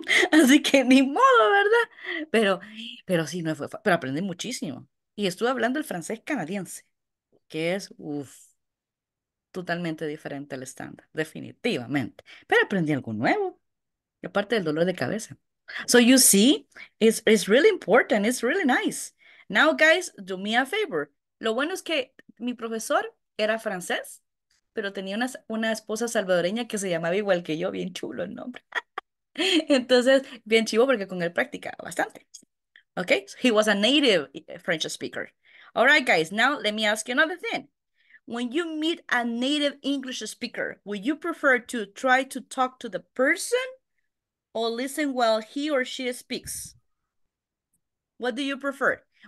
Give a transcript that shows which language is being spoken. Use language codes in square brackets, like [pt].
[es] Así que ni modo, ¿verdad? Pero sí, no fue, pero aprendí muchísimo. Y estuve hablando el francés canadiense, que es totalmente diferente al estándar, definitivamente. Pero aprendí algo nuevo, aparte del dolor de cabeza. [en] So you see, it's really important, it's really nice. Now guys, do me a favor. [es] Lo bueno es que mi profesor era francés, pero tenía una esposa salvadoreña que se llamaba igual que yo, bien chulo el nombre. Entonces, bien chivo porque con él practicaba bastante. [en] Okay, so he was a native French speaker. All right, guys, now let me ask you another thing. When you meet a native English speaker, would you prefer to try to talk to the person or listen while he or she speaks? What do you prefer?